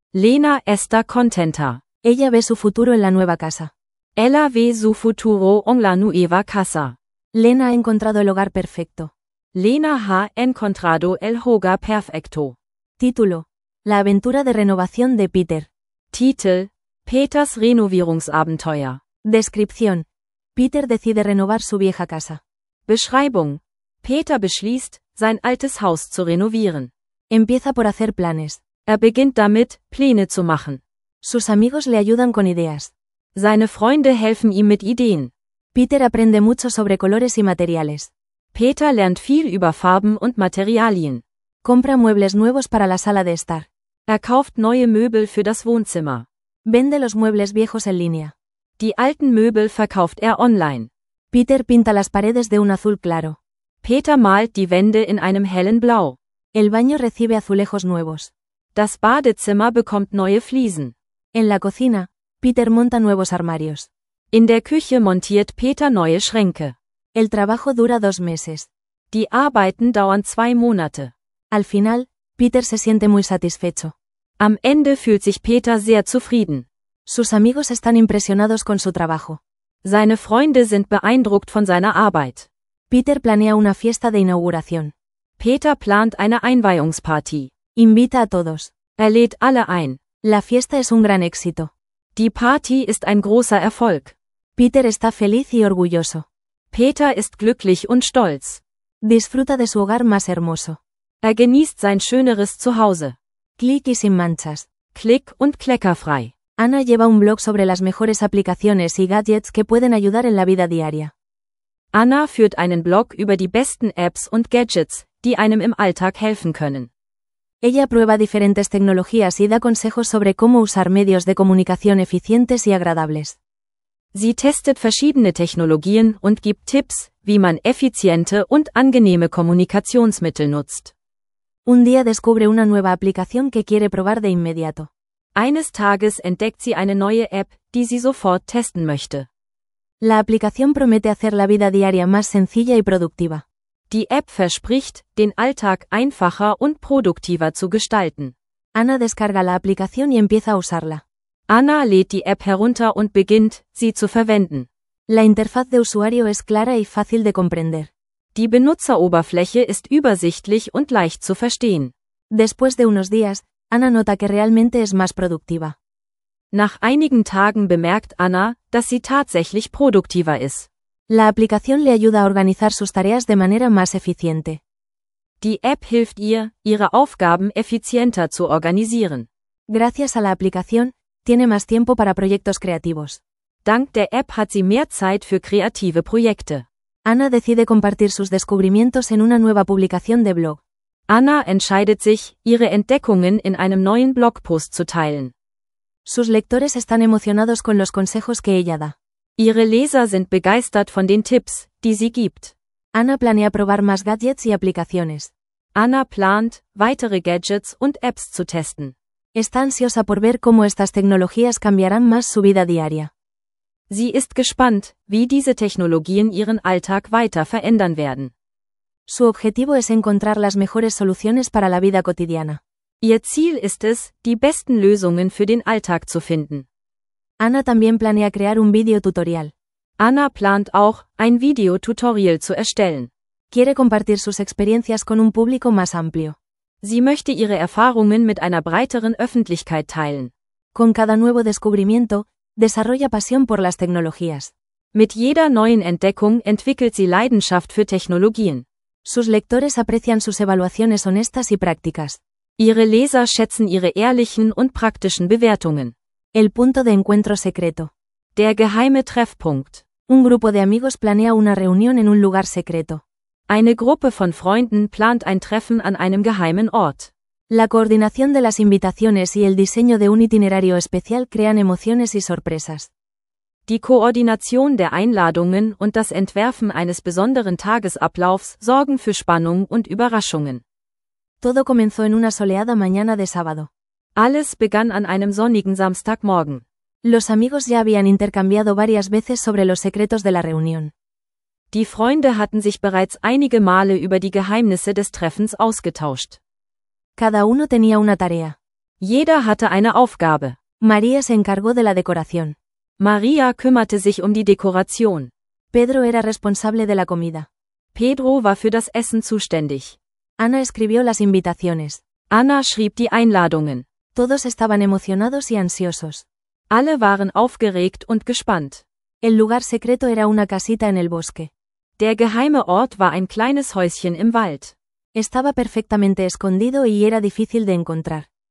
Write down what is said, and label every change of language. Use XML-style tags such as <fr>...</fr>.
<es>Lena está contenta. Ella ve su futuro en la nueva casa. Ella ve su futuro en la nueva casa. Lena ha encontrado el hogar perfecto. Lena ha encontrado el hogar perfecto. Título: La aventura de renovación de Peter.</es> <de>Titel: Peters Renovierungsabenteuer.</de> <es>Descripción: Peter decide renovar su vieja casa.</es> <de>Beschreibung: Peter beschließt, sein altes Haus zu renovieren.</de> <es>Empieza por hacer planes.</es> <de>Er beginnt damit, Pläne zu machen.</de> <es>Sus amigos le ayudan con ideas.</es> <de>Seine Freunde helfen ihm mit Ideen.</de> <es>Peter aprende mucho sobre colores y materiales.</es> <de>Peter lernt viel über Farben und Materialien.</de> <es>Compra muebles nuevos para la sala de estar.</es> <de>Er kauft neue Möbel für das Wohnzimmer.</de> <es>Vende los muebles viejos en línea.</es> <de>Die alten Möbel verkauft er online.</de> <es>Peter pinta las paredes de un azul claro.</es> <de>Peter malt die Wände in einem hellen Blau.</de> <es>El baño recibe azulejos nuevos.</es> <de>Das Badezimmer bekommt neue Fliesen.</de> <es>En la cocina, Peter monta nuevos armarios.</es> <de>In der Küche montiert Peter neue Schränke.</de> <es>El trabajo dura 2 meses.</es> <de>Die Arbeiten dauern 2 Monate.</de> <es>Al final, Peter se siente muy satisfecho.</es> <de>Am Ende fühlt sich Peter sehr zufrieden.</de> <es>Sus amigos están impresionados con su trabajo.</es> <de>Seine Freunde sind beeindruckt von seiner Arbeit.</de> <es>Peter planea una fiesta de inauguración.</es> <de>Peter plant eine Einweihungsparty.</de> <es>Invita a todos.</es> <de>Er lädt alle ein.</de> <es>La fiesta es un gran éxito.</es> <de>Die Party ist ein großer Erfolg.</de> <es>Peter está feliz y orgulloso.</es> <de>Peter ist glücklich und stolz.</de> <es>Disfruta de su hogar más hermoso.</es> <de>Er genießt sein schöneres Zuhause.</de> <es>Click y sin manchas.</es> <de>Click und kleckerfrei.</de> <es>Ana lleva un blog sobre las mejores aplicaciones y gadgets que pueden ayudar en la vida diaria.</es> <de>Ana führt einen Blog über die besten Apps und Gadgets, die einem im Alltag helfen können.</de> <es>Ella prueba diferentes tecnologías y da consejos sobre cómo usar medios de comunicación eficientes y agradables.</es> <de>Sie testet verschiedene Technologien und gibt Tipps, wie man effiziente und angenehme Kommunikationsmittel nutzt.</de> <es>Un día descubre una nueva aplicación que quiere probar de inmediato.</es> <de>Eines Tages entdeckt sie eine neue App, die sie sofort testen möchte.</de> <es>La aplicación promete hacer la vida diaria más sencilla y productiva.</es> <de>Die App verspricht, den Alltag einfacher und produktiver zu gestalten.</de> <es>Ana descarga la aplicación y empieza a usarla.</es> <de>Ana lädt die App herunter und beginnt, sie zu verwenden.</de> <es>La interfaz de usuario es clara y fácil de comprender.</es> <de>Die Benutzeroberfläche ist übersichtlich und leicht zu verstehen.</de> <es>Después de unos días, Ana nota que realmente es más productiva.</es> <de>Nach einigen Tagen bemerkt Ana, dass sie tatsächlich produktiver ist.</de> <es>La aplicación le ayuda a organizar sus tareas de manera más eficiente.</es> <de>Die App hilft ihr, ihre Aufgaben effizienter zu organisieren.</de> <es>Gracias a la aplicación, tiene más tiempo para proyectos creativos.</es> <de>Dank der App hat sie mehr Zeit für kreative Projekte.</de> <es>Ana decide compartir sus descubrimientos en una nueva publicación de blog.</es> <de>Ana entscheidet sich, ihre Entdeckungen in einem neuen Blogpost zu teilen.</de> <es>Sus lectores están emocionados con los consejos que ella da.</es> <de>Ihre Leser sind begeistert von den Tipps, die sie gibt.</de> <es>Ana planea probar más gadgets y aplicaciones.</es> <de>Ana plant, weitere Gadgets und Apps zu testen.</de> <es>Está ansiosa por ver cómo estas tecnologías cambiarán más su vida diaria.</es> <de>Sie ist gespannt, wie diese Technologien ihren Alltag weiter verändern werden.</de> <es>Su objetivo es encontrar las mejores soluciones para la vida cotidiana.</es> <de>Ihr Ziel ist es, die besten Lösungen für den Alltag zu finden.</de> <es>Ana también planea crear un video tutorial.</es> <de>Ana plant auch, ein Video Tutorial zu erstellen.</de> <es>Quiere compartir sus experiencias con un público más amplio.</es> <de>Sie möchte ihre Erfahrungen mit einer breiteren Öffentlichkeit teilen.</de> <es>Con cada nuevo descubrimiento, desarrolla pasión por las tecnologías.</es> <de>Mit jeder neuen Entdeckung entwickelt sie Leidenschaft für Technologien.</de> <es>Sus lectores aprecian sus evaluaciones honestas y prácticas.</es> <de>Ihre Leser schätzen ihre ehrlichen und praktischen Bewertungen.</de> <es>El punto de encuentro secreto.</es> <de>Der geheime Treffpunkt.</de> <es>Un grupo de amigos planea una reunión en un lugar secreto.</es> <de>Eine Gruppe von Freunden plant ein Treffen an einem geheimen Ort.</de> <es>La coordinación de las invitaciones y el diseño de un itinerario especial crean emociones y sorpresas.</es> <de>Die Koordination der Einladungen und das Entwerfen eines besonderen Tagesablaufs sorgen für Spannung und Überraschungen.</de> <es>Todo comenzó en una soleada mañana de sábado.</es> <de>Alles begann an einem sonnigen Samstagmorgen.</de> <es>Los amigos ya habían intercambiado varias veces sobre los secretos de la reunión.</es> <de>Die Freunde hatten sich bereits einige Male über die Geheimnisse des Treffens ausgetauscht.</de> <es>Cada uno tenía una tarea.</es> <de>Jeder hatte eine Aufgabe.</de> <es>María se encargó de la decoración.</es> <de>María kümmerte sich um die Dekoration.</de> <es>Pedro era responsable de la comida.</es> <de>Pedro war für das Essen zuständig.</de> <es>Ana escribió las invitaciones.</es> <de>Ana schrieb die Einladungen.</de> <es>Todos estaban emocionados y ansiosos.</es> <de>Alle waren aufgeregt und gespannt.</de> <es>El lugar secreto era una casita en el bosque.</es> <de>Der geheime Ort war ein kleines Häuschen im Wald.</de> <es>Estaba perfectamente escondido y era difícil de encontrar.</es>